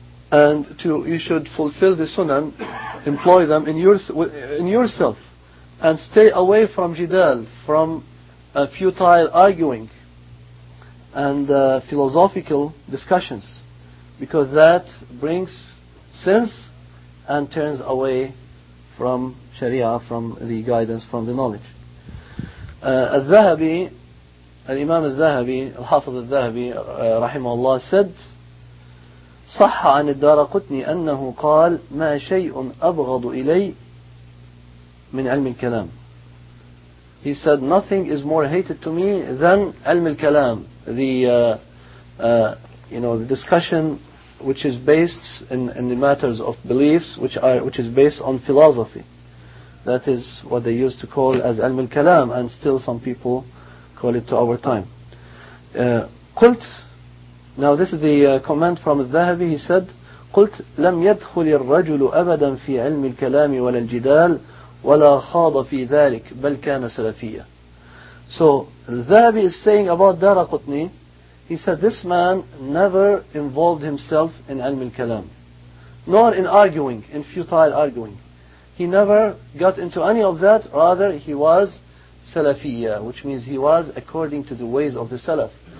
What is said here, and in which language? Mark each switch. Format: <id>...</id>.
<en>And you should fulfill the sunan, employ them in yourself, and stay away from jidal, from futile arguing and philosophical discussions, because that brings sins and turns away from sharia, from the guidance, from the knowledge. Al-Imam al-Dhahabi, al-Hafiz al-Dhahabi, rahimahullah, said,</en> <ar>صح عن الدارقطني أنه قال ما شيء أبغض إلي من علم الكلام.</ar> <en>He said nothing is more hated to me than علم الكلام, the discussion which is based in the matters of beliefs which is based on philosophy. That is what they used to call as علم الكلام, and still some people call it to our time.</en> <ar>قلت.</ar> <en>Now this is the comment from al-Dhahabi. He said,</en> <ar>قلت لم يدخل الرجل أبدا في علم الكلام ولا الجدال ولا خاض في ذلك بل كان سلفيا.</ar> <en>So al-Dhahabi is saying about Daraqutni, he said this man never involved himself in علم الكلام, nor in arguing, in futile arguing. He never got into any of that, rather he was سلفيا, which means he was according to the ways of the Salaf.</en>